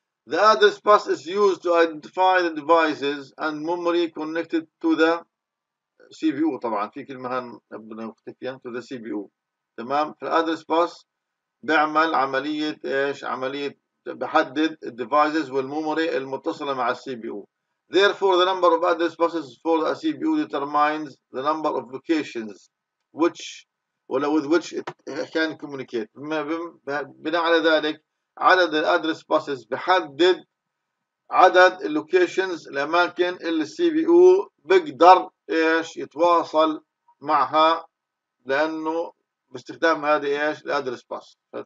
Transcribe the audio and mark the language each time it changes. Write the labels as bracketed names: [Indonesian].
[English] The address bus is used to identify the devices and memory connected to the CPU. [Arabic] طبعا في كلمه هان بدنا نكتبها [English] to the CPU، [Arabic] تمام؟ في الادريس باس بيعمل عمليه ايش؟ عمليه بحدد الديفايسز والميموري المتصله مع السي بي يو. [English] Therefore the number of address buses for a CPU determines the number of locations which or with which it can communicate. [Arabic] بناء على ذلك عدد الادريس باسز بحدد عدد اللوكيشنز، الاماكن اللي السي بي يو بيقدر ايش؟ يتواصل معها، لانه باستخدام هذه ايش؟ الادريس باس.